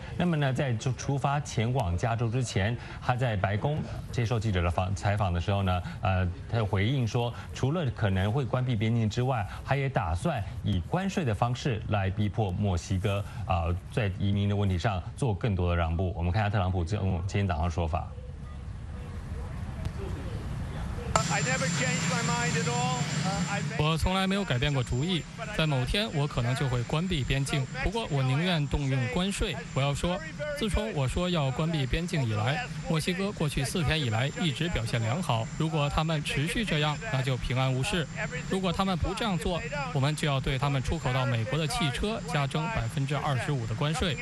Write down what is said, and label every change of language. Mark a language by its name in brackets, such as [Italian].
[Chinese] 那么呢，在出发前往加州之前，他在白宫接受记者的采访的时候呢，他回应说，除了可能会关闭边境之外，他也打算以关税的方式来逼迫墨西哥在移民的问题上做更多的让步。我们看一下特朗普今天早上的说法。 [English] I never changed my mind at all. [Chinese] 我从来没有改变过主意，在某天我可能就会关闭边境，不过我宁愿动用关税。我要说，自从我说要关闭边境以来，墨西哥过去4天以来一直表现良好。如果他们持续这样，那就平安无事；如果他们不这样做，我们就要对他们出口到美国的汽车加征25%的关税。